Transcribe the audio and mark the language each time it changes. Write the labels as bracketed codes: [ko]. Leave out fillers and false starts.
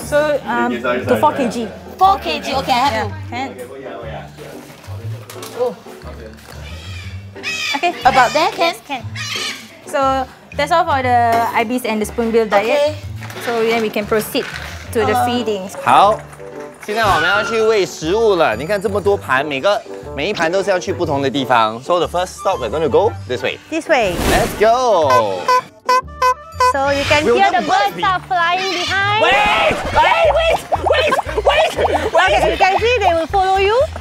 [en] So to 4 kg. 4 kg. Okay, I have you. Can. Okay. About that, can. Yes, can. So that's all for the ibis and the spoonbill diet. Okay. So then we can proceed to the feedings. [zh] 好，现在我们要去喂食物了。你看这么多盘，每一盘都是要去不同的地方。 [en] So the first stop, we're going to go this way. This way. Let's go. So you can hear the birds are flying behind. Wait. Okay, so you can see they will follow you.